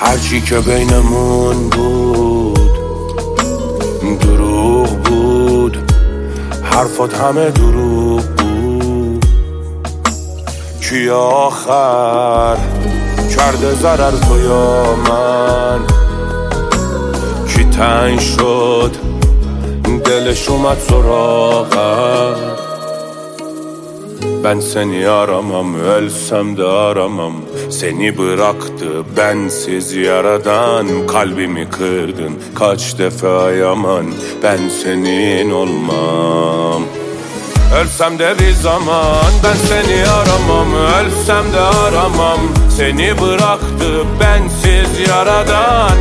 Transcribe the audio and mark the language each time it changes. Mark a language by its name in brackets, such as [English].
[Persian] چی که بینمون بود. دروغ بود، حرفات همه دروغ بود. کی آخر کرده ضرر تو یا من؟ کی تنگ شد دلش اومد سراغم؟ [Turkish] Ben seni aramam, ölsem de aramam. Seni bıraktı bensiz yaradan. Kalbimi kırdın kaç defa ayaman. Ben senin olmam, ölsem de bir zaman. Ben seni aramam, ölsem de aramam. Seni bıraktı bensiz yaradan.